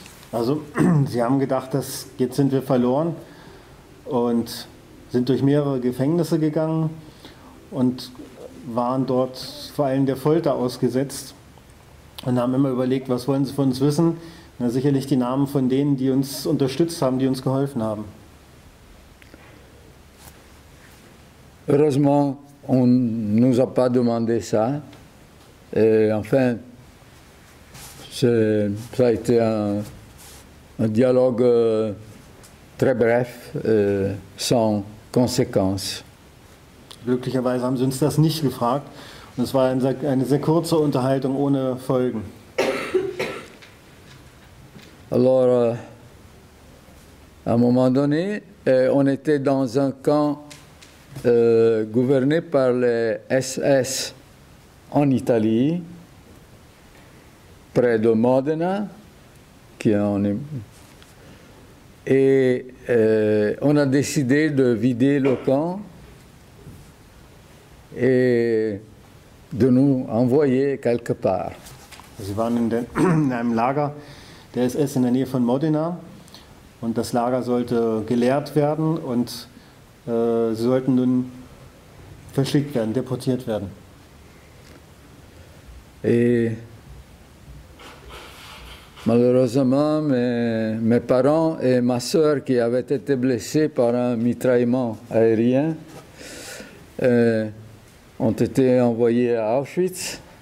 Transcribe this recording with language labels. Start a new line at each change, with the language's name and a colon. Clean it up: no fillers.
German: Also, sie haben gedacht, dass jetzt sind wir verloren und sind durch mehrere Gefängnisse gegangen und waren dort vor allem der Folter ausgesetzt und haben immer überlegt, was wollen sie von uns wissen? Na, sicherlich die Namen von denen, die uns unterstützt haben, die uns geholfen haben.
French: Heureusement, on ne nous a pas demandé ça. Et enfin, ça a été un dialogue très bref, sans conséquences.
German: Glücklicherweise haben sie uns das nicht gefragt Und es war eine sehr kurze Unterhaltung ohne Folgen.
French: Allora, à un moment donné, on était dans un camp gouverné par les SS en Italie, près de Modena, qui est en Et on a décidé de vider le camp et de nous envoyer quelque part.
German: Sie waren in einem Lager der SS in der Nähe von Modena und das Lager sollte geleert werden und sie sollten nun verschickt werden, deportiert werden.
French: Et malheureusement, mes parents et ma sœur qui avaient été blessés par un mitraillement aérien ont été envoyés à Auschwitz.